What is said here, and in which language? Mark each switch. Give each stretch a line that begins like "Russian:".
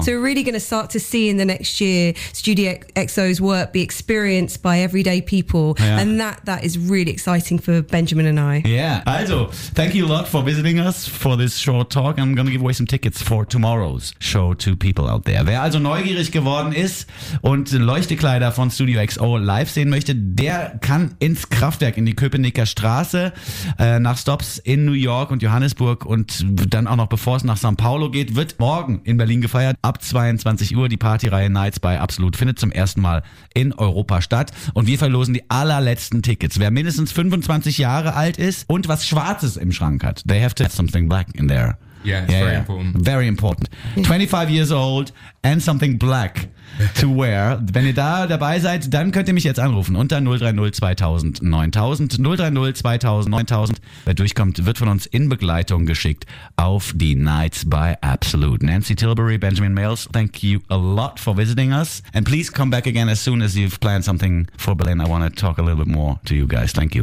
English: So we're really going to start to see in the next year Studio XO's work be experienced by everyday people. Yeah. And that is really exciting for Benjamin and I. Yeah. Also, thank you a lot for visiting us for this short talk. I'm going to give away some tickets for tomorrow's show to people out there.
German: Wer also neugierig geworden ist und Leuchtekleider von Studio XO live sehen möchte, der kann ins Kraftwerk, in die Köpenicker Straße, nach Stops in New York und Johannesburg und dann auch noch, bevor es nach São Paulo geht, wird morgen in Berlin gefeiert. Ab 22 Uhr die Partyreihe Nights by Absolut findet zum ersten Mal in Europa statt. Und wir verlosen die allerletzten Tickets. Wer mindestens 25 Jahre alt ist und was Schwarzes im Schrank hat,
English: they have to have something black in there. Yeah, it's very important. Very important. 25 years old and something black to wear.
German: Wenn ihr da dabei seid, dann könnt ihr mich jetzt anrufen unter 030-2000-9000. Wer durchkommt, wird von uns in Begleitung geschickt auf die Nights by Absolute.
English: Nancy Tilbury, Benjamin Mayles, thank you a lot for visiting us. And please come back again as soon as you've planned something for Berlin. I want to talk a little bit more to you guys. Thank you.